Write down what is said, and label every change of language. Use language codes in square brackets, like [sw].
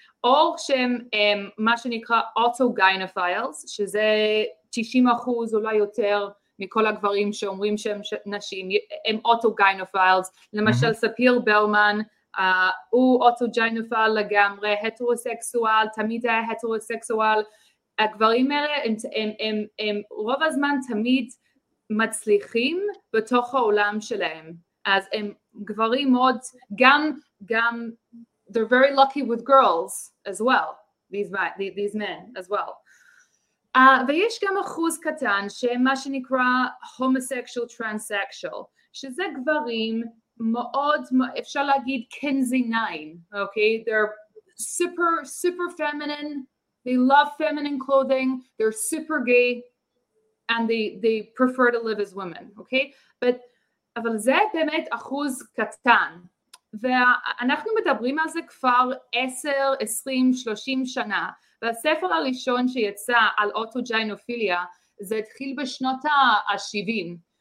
[he] או שהם מה שנקרא אוטוגיינופיילס, שזה 90% אולי יותר מכל הגברים שאומרים שהם נשים, הם אוטוגיינופיילס. למשל ספיר בלמן, הוא אוטוגיינופייל לגמרי, הטרוסקסואל, תמיד היה הטרוסקסואל. הגברים האלה הם רוב הזמן תמיד מצליחים בתוך העולם שלהם. אז הם גברים מאוד, גם [en] they're very lucky with girls as well, these men as well. [he] ויש גם אחוז קטן שמה שנקרא homosexual transsexual, שזה גברים מאוד, אפשר להגיד קנזיניים, okay? [en] They're super, super feminine, they love feminine clothing, they're super gay, and they prefer to live as women, okay? [he] אבל זה באמת אחוז קטן. ואנחנו מדברים על זה כבר 10, 20, 30 שנה. והספר הראשון שיצא על אוטוגיינופיליה, זה התחיל בשנות ה-70.